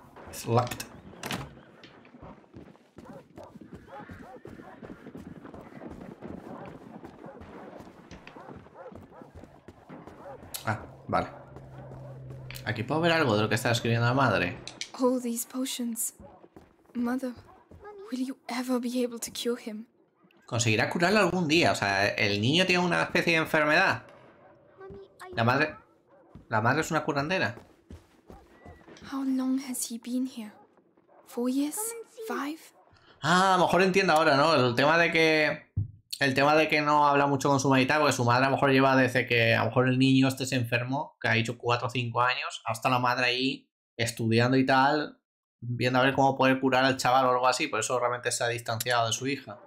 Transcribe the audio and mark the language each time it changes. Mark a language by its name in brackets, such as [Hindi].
[English] It's locked. [Spanish] Ah, vale. Aquí puedo ver algo de lo que está escribiendo la madre. [English] All these potions. Mother, will you ever be able to cure him? [Spanish] Conseguirá curarlo algún día. O sea, el niño tiene una especie de enfermedad. La madre es una curandera. [English] How long has he been here? 4 years? 5? [Spanish] Ah, a lo mejor entiendo ahora, ¿no? El tema de que no habla mucho con su madre, porque su madre a lo mejor lleva desde que a lo mejor el niño este se enfermó, que ha dicho 4 o 5 años, hasta la madre ahí estudiando y tal, viendo a ver cómo poder curar al chaval o algo así, por eso realmente se ha distanciado de su hija.